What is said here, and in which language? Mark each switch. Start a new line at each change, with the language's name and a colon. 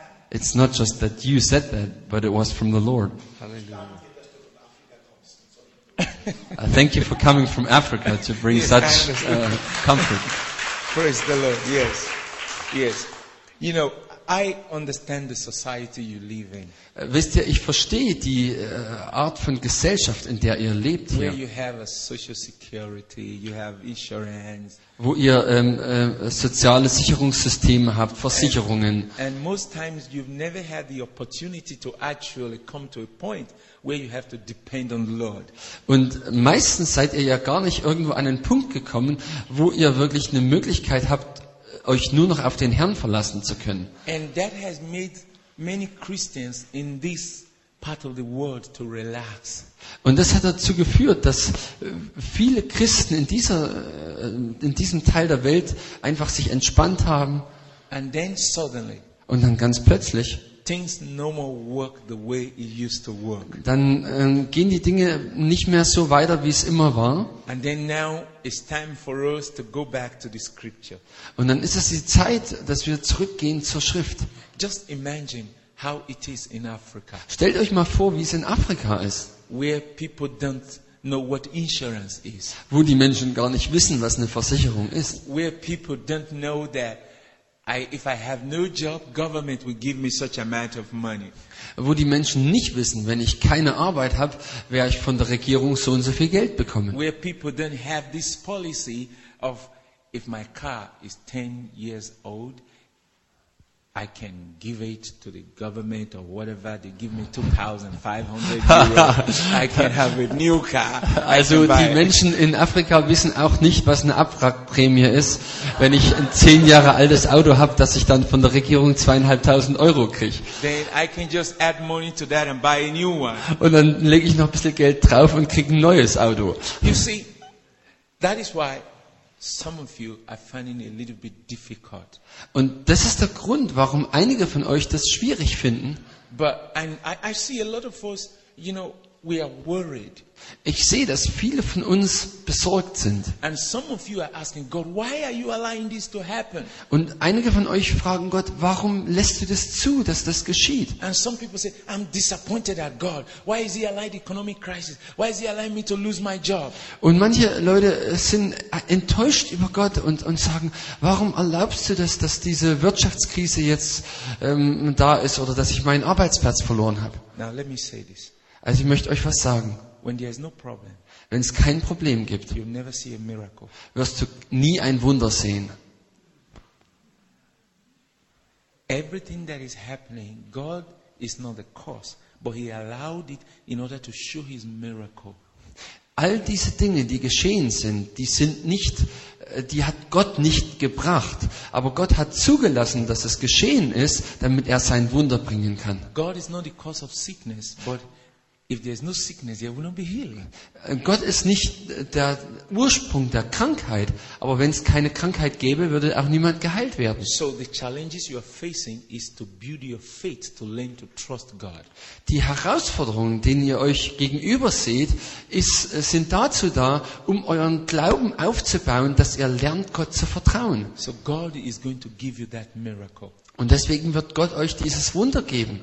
English: It's not just that you said that, but it was from the Lord. Hallelujah. Thank you for coming from Africa to bring such comfort. Praise the Lord. Yes. Yes. You know, I understand the society you live in.
German: Wisst ihr, ich verstehe die Art von Gesellschaft, in der ihr lebt hier.
English: Where you have a social security, you have insurance.
German: Wo ihr soziale Sicherungssysteme habt, Versicherungen.
English: And most times you've never had the opportunity to actually come to a point where you have to depend on the Lord.
German: Und meistens seid ihr ja gar nicht irgendwo an einen Punkt gekommen, wo ihr wirklich eine Möglichkeit habt, euch nur noch auf den Herrn verlassen zu können.
English: And that has made many Christians in this part of the world to relax.
German: Und das hat dazu geführt, dass viele Christen in diesem Teil der Welt einfach sich entspannt haben.
English: And then suddenly,
German: und dann ganz plötzlich,
English: things no more work the way it used to work.
German: Dann gehen die Dinge nicht mehr so weiter, wie es immer war.
English: And then now it's time for us to go back to the scripture.
German: Und dann ist es die Zeit, dass wir zurückgehen zur Schrift.
English: Just imagine how it is in Africa.
German: Stellt euch mal vor, wie es in Afrika ist.
English: Where people don't know what insurance is.
German: Wo die Menschen gar nicht wissen, was eine Versicherung ist.
English: Where people don't know that if I have no job, government will give me such amount of money.
German: Wo die Menschen nicht wissen, wenn ich keine Arbeit habe, werde ich von der Regierung so und so viel Geld bekommen.
English: Where people don't have this policy of if my car is 10 years old, I can give it to the government or whatever, they give me 2,500 euros, I can have a new car.
German: Also die Menschen in Afrika wissen auch nicht, was eine Abwrackprämie ist, wenn ich ein 10 Jahre altes Auto habe, dass ich dann von der Regierung 2,500 Euro kriege.
English: Then I can just add money to that and buy a new one.
German: Und dann lege ich noch ein bisschen Geld drauf und kriege ein neues Auto.
English: You see, that is why some of you are finding it a little bit difficult.
German: Und das ist der Grund, warum einige von euch das schwierig finden.
English: But and I see a lot of us, you know, We are worried.
German: Ich sehe, dass viele von uns besorgt sind.
English: And some of you are asking God, why are you allowing this to happen?
German: Und einige von euch fragen Gott, warum lässt du das zu, dass das geschieht?
English: And some people say, I'm disappointed at God. Why is he allowing the economic crisis? Why is he allowing me to lose my job?
German: Und manche Leute sind enttäuscht über Gott und sagen, warum erlaubst du das, dass diese Wirtschaftskrise jetzt da ist oder dass ich meinen Arbeitsplatz verloren habe?
English: Now let me say this.
German: Also ich möchte euch was sagen.
English: When there is no problem,
German: wenn es kein Problem gibt,
English: you'll never see a miracle.
German: Wirst du nie ein Wunder sehen.
English: Everything that is happening, God is not the cause, but he allowed it in order to show his miracle.
German: All diese Dinge, die geschehen sind, die sind nicht, die hat Gott nicht gebracht, aber Gott hat zugelassen, dass es geschehen ist, damit er sein Wunder bringen kann.
English: God is not the cause of sickness, but if there's no sickness, there will not be healing.
German: Gott ist nicht der Ursprung der Krankheit, aber wenn es keine Krankheit gäbe, würde auch niemand geheilt werden.
English: So the challenges you are facing is to build your faith, to learn to trust God.
German: Die Herausforderungen, denen ihr euch gegenüber seht, sind dazu da, um euren Glauben aufzubauen, dass ihr lernt, Gott zu vertrauen.
English: So God is going to give you that miracle.
German: Und deswegen wird Gott euch dieses Wunder geben.